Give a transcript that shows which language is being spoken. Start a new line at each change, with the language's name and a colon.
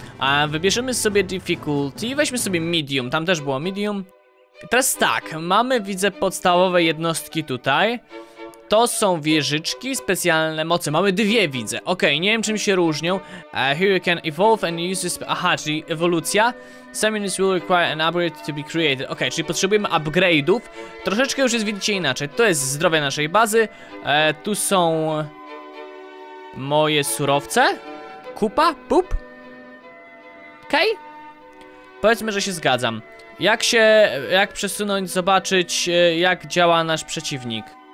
Polish: A wybierzemy sobie difficulty, weźmy sobie medium, tam też było medium. Teraz tak, mamy, widzę, podstawowe jednostki tutaj. To są wieżyczki, specjalne moce. Mamy dwie, widzę. Okej, okay, nie wiem, czym się różnią.
English: Here you can evolve and use this... Aha,
Polish: czyli ewolucja.
English: Some units will require an upgrade to be created.
Polish: Okej, okay, czyli potrzebujemy upgrade'ów. Troszeczkę już jest, widzicie, inaczej. To jest zdrowie naszej bazy. Tu są... moje surowce. Kupa, pup. Okej. Okay. Powiedzmy, że się zgadzam. Jak się... jak przesunąć, zobaczyć, jak działa nasz przeciwnik.